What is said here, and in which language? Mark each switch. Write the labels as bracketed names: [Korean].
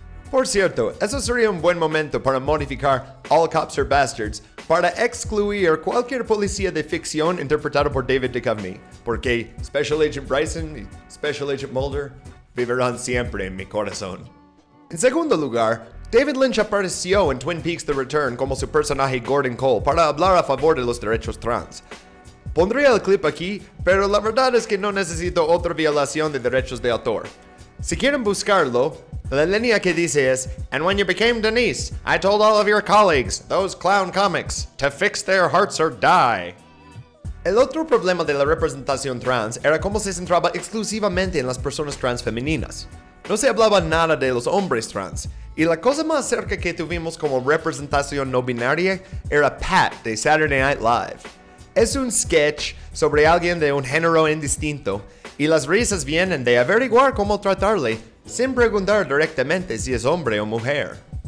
[Spanish] Por cierto, eso sería un buen momento para modificar [English] All Cops Are Bastards [Spanish] para excluir cualquier policía de ficción interpretado por David Duchovny, porque Special Agent Bryson y Special Agent Mulder vivirán siempre en mi corazón. En segundo lugar, David Lynch apareció en Twin Peaks The Return como su personaje Gordon Cole para hablar a favor de los derechos trans. Pondría el clip aquí, pero la verdad es que no necesito otra violación de derechos de autor. Si quieren buscarlo, la línea que dice es: [English] "And when you became Denise, I told all of your colleagues, those clown comics, to fix their hearts or die." [Spanish] El otro problema de la representación trans era cómo se centraba exclusivamente en las personas trans femeninas. No se hablaba nada de los hombres trans, y la cosa más cerca que tuvimos como representación no binaria era Pat de Saturday Night Live. Es un sketch sobre alguien de un género indistinto, y las risas vienen de averiguar cómo tratarle, sin preguntar directamente si es hombre o mujer.